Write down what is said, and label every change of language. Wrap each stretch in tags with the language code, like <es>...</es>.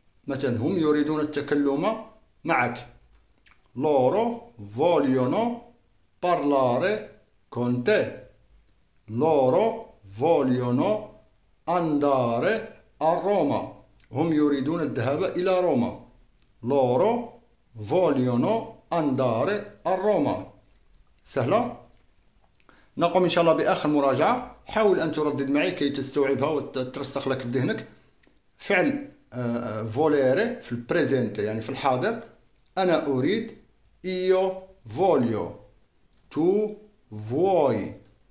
<ar>مثلا هم يريدون التكلم معك.</ar> <it>Loro. Vogliono. Parlare. Con te. Loro. Vogliono. Andare a Roma.</it> <ar>هم يريدون الذهاب إلى روما.</ar> <it>Loro vogliono andare a Roma.</it> <ar>سهلة. نقوم إن شاء الله بآخر مراجعة. حاول أن تردد معي كي تستوعبها وترسخ لك في ذهنك. فعل volere في البريزنت يعني في الحاضر. أنا أريد.</ar> <it>Io voglio. Tu vuoi.</it>